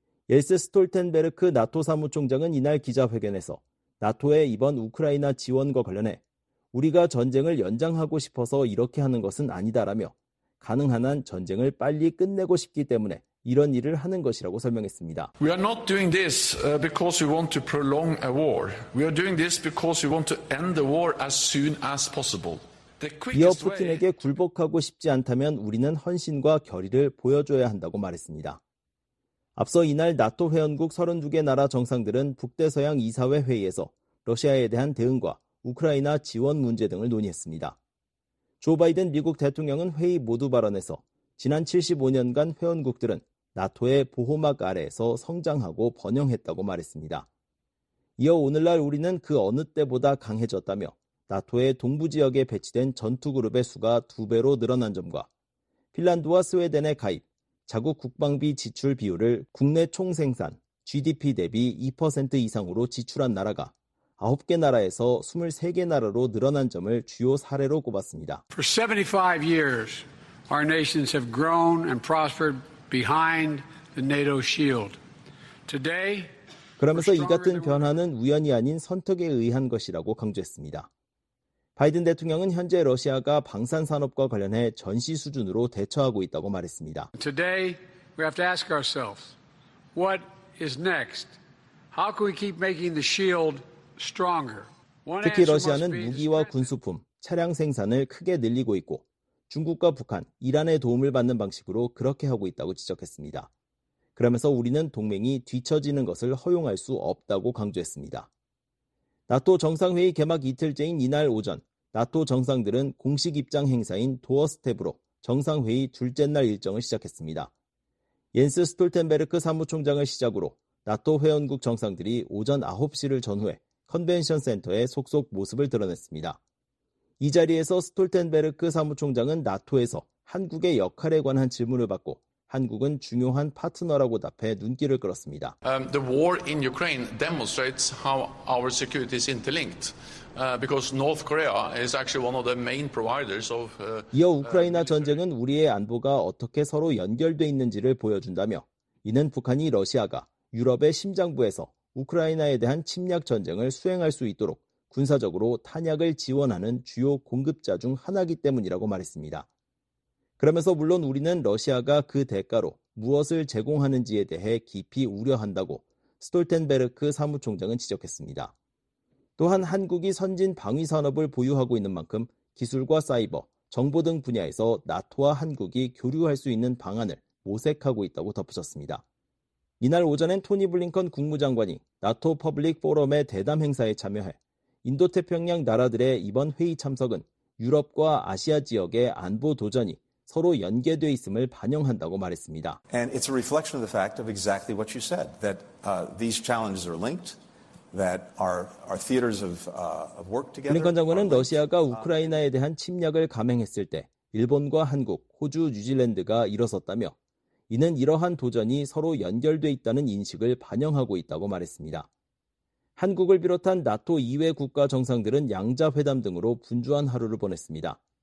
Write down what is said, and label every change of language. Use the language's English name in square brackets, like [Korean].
[Korean] 옐스 스톨텐베르크 나토 사무총장은 이날 기자회견에서 나토의 이번 우크라이나 지원과 관련해 우리가 전쟁을 연장하고 싶어서 이렇게 하는 것은 아니다라며 가능한 한 전쟁을 빨리 끝내고 싶기 때문에 이런 일을 하는 것이라고 설명했습니다. [English] We are not doing this because we want to prolong a war. We are doing this because we want to end the war as soon as possible. [Korean] 이어 푸틴에게 굴복하고 싶지 않다면 우리는 헌신과 결의를 보여줘야 한다고 말했습니다. 앞서 이날 나토 회원국 32개 나라 정상들은 북대서양 이사회 회의에서 러시아에 대한 대응과 우크라이나 지원 문제 등을 논의했습니다. 조 바이든 미국 대통령은 회의 모두 발언에서 지난 75년간 회원국들은 나토의 보호막 아래에서 성장하고 번영했다고 말했습니다. 이어 오늘날 우리는 그 어느 때보다 강해졌다며 나토의 동부 지역에 배치된 전투그룹의 수가 두 배로 늘어난 점과 핀란드와 스웨덴의 가입, 자국 국방비 지출 비율을 국내 총생산 GDP 대비 2% 이상으로 지출한 나라가 9개 나라에서 23개 나라로 늘어난 점을 주요 사례로 꼽았습니다. [English] For 75 years, our nations have grown and prospered behind the NATO shield. Today, [Korean] 그러면서 이 같은 변화는 우연이 아닌 선택에 의한 것이라고 강조했습니다. 바이든 대통령은 현재 러시아가 방산 산업과 관련해 전시 수준으로 대처하고 있다고 말했습니다. [English] Today, we have to ask ourselves, what is next? How can we keep making the shield stronger? [Korean] 특히 러시아는 무기와 군수품, 차량 생산을 크게 늘리고 있고 중국과 북한, 이란의 도움을 받는 방식으로 그렇게 하고 있다고 지적했습니다. 그러면서 우리는 동맹이 뒤처지는 것을 허용할 수 없다고 강조했습니다. 나토 정상회의 개막 이틀째인 이날 오전, 나토 정상들은 공식 입장 행사인 도어스텝으로 정상회의 둘째 날 일정을 시작했습니다. 옌스 스톨텐베르크 사무총장을 시작으로 나토 회원국 정상들이 오전 9시를 전후해 컨벤션 센터에 속속 모습을 드러냈습니다. 이 자리에서 스톨텐베르크 사무총장은 나토에서 한국의 역할에 관한 질문을 받고 한국은 중요한 파트너라고 답해 눈길을 끌었습니다. [English] The war in Ukraine demonstrates how our security is interlinked because North Korea is actually one of the main providers of [Korean] 이어 우크라이나 전쟁은 우리의 안보가 어떻게 서로 연결돼 있는지를 보여준다며 이는 북한이 러시아가 유럽의 심장부에서 우크라이나에 대한 침략 전쟁을 수행할 수 있도록 군사적으로 탄약을 지원하는 주요 공급자 중 하나이기 때문이라고 말했습니다. 그러면서 물론 우리는 러시아가 그 대가로 무엇을 제공하는지에 대해 깊이 우려한다고 스톨텐베르크 사무총장은 지적했습니다. 또한 한국이 선진 방위산업을 보유하고 있는 만큼 기술과 사이버, 정보 등 분야에서 나토와 한국이 교류할 수 있는 방안을 모색하고 있다고 덧붙였습니다. 이날 오전엔 토니 블링컨 국무장관이 나토 퍼블릭 포럼의 대담 행사에 참여해 인도태평양 나라들의 이번 회의 참석은 유럽과 아시아 지역의 안보 도전이 서로 연계돼 있음을 반영한다고 말했습니다. [English] And it's a reflection of the fact of exactly what you said that these challenges are linked that our theaters of work together. [Korean] 블링컨 장관은 러시아가 우크라이나에 대한 침략을 감행했을 때 일본과 한국, 호주, 뉴질랜드가 일어섰다며 이는 이러한 도전이 서로 연결돼 있다는 인식을 반영하고 있다고 말했습니다. 한국을 비롯한 나토 이외 국가 정상들은 양자 회담 등으로 분주한 하루를 보냈습니다.